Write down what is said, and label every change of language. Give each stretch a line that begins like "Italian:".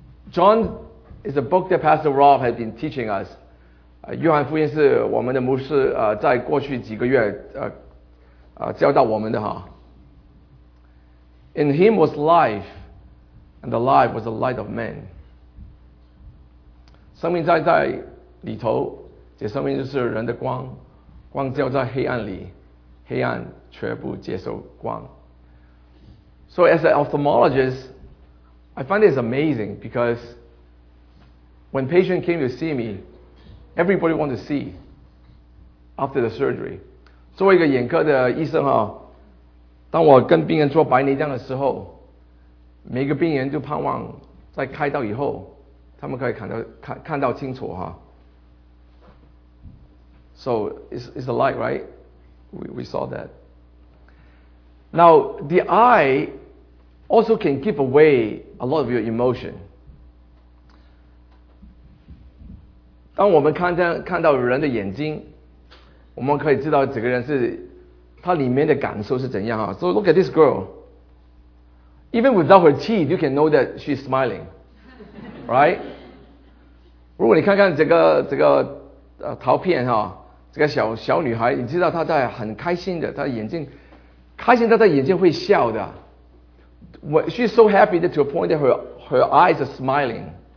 English: John is a book that Pastor Rob has been teaching us.
Chinese: 约翰福音是我们的牧师在过去几个月教导我们的哈。
English: In him was life, and the life was the light of men.
Chinese: 生命在里头，这生命就是人的光，光照在黑暗里，黑暗却不接受光。
English: So as an ophthalmologist, I find this amazing because when patient came to see me, everybody wanted to see after the surgery.
Chinese: 作为一个眼科的医生啊，当我跟病人做白内障的时候，每个病人就盼望在开刀以后，他们可以看到清楚哈。
English: So it's a light, right? We saw that. Now the eye also can give away a lot of your emotion.
Chinese: 当我们看到人的眼睛，我们可以知道这个人是他里面的感受是怎样啊。
English: So look at this girl. Even without her teeth, you can know that she's smiling, right?
Chinese: 如果你看看这个陶片哈。这个小女孩，你知道她在很开心的，她眼睛开心，她的眼睛会笑的。
English: She's so happy that to a point that her eyes are smiling.